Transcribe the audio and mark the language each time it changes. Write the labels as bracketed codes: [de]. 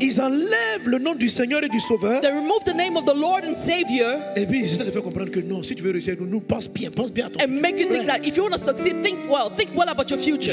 [fr] Ils enlèvent le nom du Seigneur et du Sauveur. [en] They remove the name of the Lord and Savior. [fr] Et puis ils essaient de faire comprendre que non, si tu veux réussir, nous pense bien à ton [en] and make you think that if you want to succeed, think well about your future.